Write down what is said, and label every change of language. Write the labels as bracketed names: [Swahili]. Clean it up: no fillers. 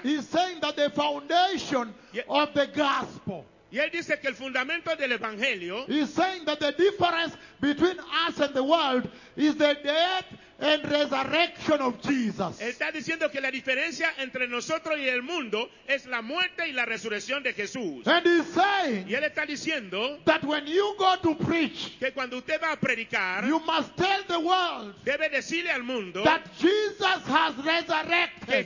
[English] he's saying that the foundation of the gospel, [Spanish] y él dice que el fundamento del evangelio, [English] he's saying that the difference between us and the world is the death and resurrection of Jesus. [Spanish] Está diciendo que la diferencia entre nosotros y el mundo es la muerte y la resurrección de Jesús. [English] And he's saying, [Spanish] y él está diciendo, [English] that when you go to preach, [Spanish] que cuando usted va a predicar, [English] you must tell the world, [Spanish] debe decirle al mundo, [English] that Jesus has resurrected,